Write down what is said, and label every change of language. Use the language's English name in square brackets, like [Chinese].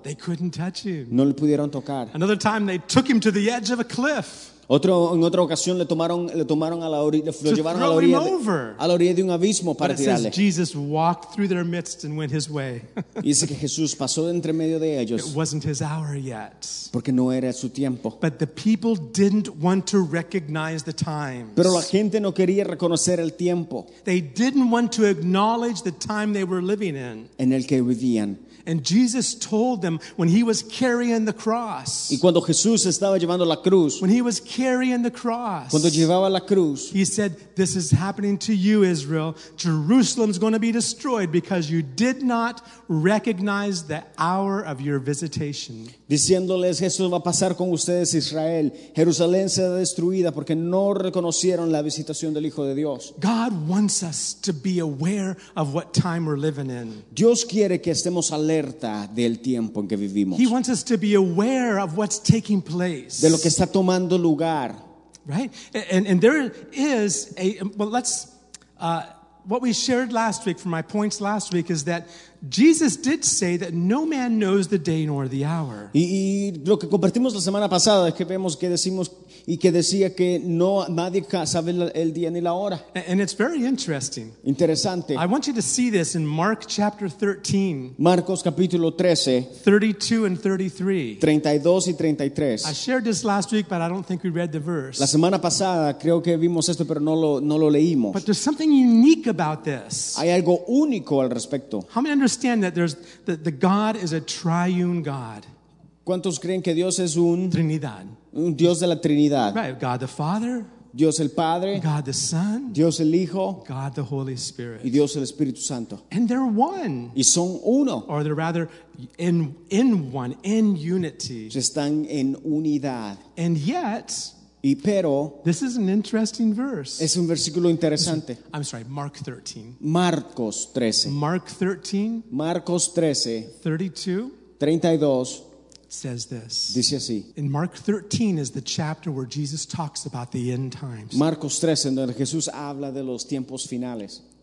[English] They couldn't touch him. [Spanish] No le pudieron tocar. [English] Another time they took him to the edge of a cliff. [Spanish] En otra ocasión le tomaron a la orilla, lo llevaron a la orilla de un abismo para tirarle. [English] But it says Jesus walked through their midst and went his way. [Spanish] Y dice que Jesús pasó entre medio de ellos. [English] It wasn't his hour yet. [Spanish] Porque no era su tiempo. [English] But the people didn't want to recognize the times. [Spanish] Pero la gente no quería reconocer el tiempo. [English] They didn't want to acknowledge the time they were living in. [Spanish] En el que vivían. [English] And Jesus told them when he was carrying the cross. [Spanish] Y cuando Jesús estaba llevando la cruz. [English] When he was carrying the cross. [Spanish] Cuando llevaba la cruz. [English] He said, "This is happening to you, Israel. Jerusalem's going to be destroyed because you did not recognize the hour of your visitation." [Spanish] Diciéndoles, "Esto va a pasar con ustedes, Israel. Jerusalén será destruida porque no reconocieron la visitación del Hijo de Dios." [English] God wants us to be aware of what time we're living in. [Spanish] Dios quiere que estemos alerta del tiempo en que vivimos. [English] He wants us to be aware of what's taking place. [Spanish] De lo que está tomando lugar. [English] Right? And there is a, well, let's, what we shared last week from my points last week is that Jesus did say that no man knows the day nor the hour. [Spanish] Y lo que compartimos la semana pasada es que vemos que decimos y que decía que no nadie sabe el día ni la hora. [English] And it's very interesting. [Spanish] Interesante. [English] I want you to see this in Mark chapter 13. [Spanish] Marcos capítulo 13. [English] 32 and 33. [Spanish] 32 y 33. [English] I shared this last week, but I don't think we read the verse. [Spanish] La semana pasada creo que vimos esto, pero no lo leímos. [English] But there's something unique about this. [Spanish] Hay algo único al respecto. [English] How many understand that the God is a triune God? [Spanish] ¿Cuántos creen que Dios es un Trinidad? Un Dios de la Trinidad. [English] Right, God the Father, [Spanish] Dios el Padre, [English] God the Son, [Spanish] Dios el Hijo, [English] God the Holy Spirit, [Spanish] y Dios el Espíritu Santo. [English] And they're one. [Spanish] Y son uno. [English] Or they're rather in one, in unity. [Spanish] Se están en unidad. [English] And yet, [Spanish] y pero, [English] this is an interesting verse. [Spanish] Es un versículo interesante. [English] I'm sorry, Mark 13. [Spanish] Marcos 13. [English] Mark 13. [Spanish] Marcos 13. 32. 32. [English] Says this. [Spanish] Dice así. [English] In Mark 13 is the chapter where Jesus talks about the end times. [Spanish] Marcos 13, donde Jesús habla de los tiempos finales.